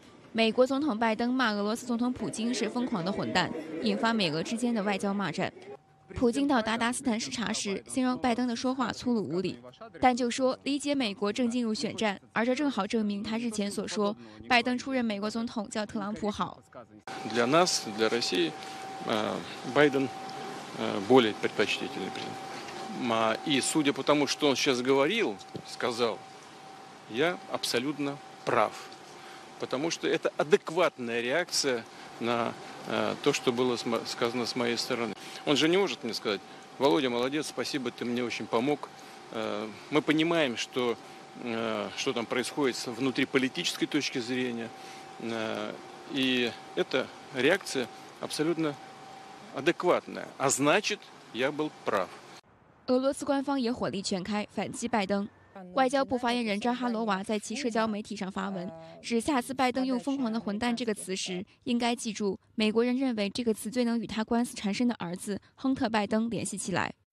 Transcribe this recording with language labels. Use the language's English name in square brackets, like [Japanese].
[Chinese] 美国总统拜登骂俄罗斯总统普京是疯狂的混蛋，引发美俄之间的外交骂战。普京到达达斯坦视察时，形容拜登的说话粗鲁无礼，但就说理解美国正进入选战，而这正好证明他日前所说拜登出任美国总统叫特朗普好。 [Russian] Для нас, для России, Байден более предпочтительный президент. И судя по тому, что он сейчас говорил, сказал, я абсолютно прав, потому что это адекватная реакция на то, что было сказано с моей стороны. Он же не может мне сказать: Володя, молодец, спасибо, ты мне очень помог. Мы понимаем, что там происходит с внутриполитической точки зрения. И эта реакция абсолютно адекватная. А значит, я был прав. [Chinese] 俄罗斯官方也火力全开反击拜登。外交部发言人扎哈罗娃在其社交媒体上发文，指下次拜登用疯狂的混蛋这个词时，应该记住美国人认为这个词最能与他官司缠身的儿子亨特拜登联系起来。